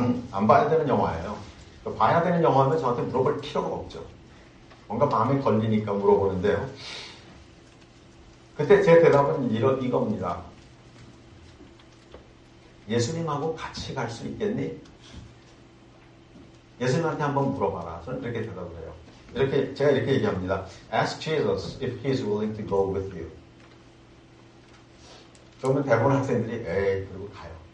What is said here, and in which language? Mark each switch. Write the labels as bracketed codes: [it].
[ko] 안 봐야 되는 영화예요. 봐야 되는 영화면 저한테 물어볼 필요가 없죠. 뭔가 마음에 걸리니까 물어보는데요. 그때 제 대답은 이겁니다. 예수님하고 같이 갈 수 있겠니? 예수님한테 한번 물어봐라. 저는 이렇게 대답을 해요. 이렇게, 제가 이렇게 얘기합니다. [en] Ask Jesus if he is willing to go with you. [ko] 그러면 대부분 학생들이 에이, 그리고 가요.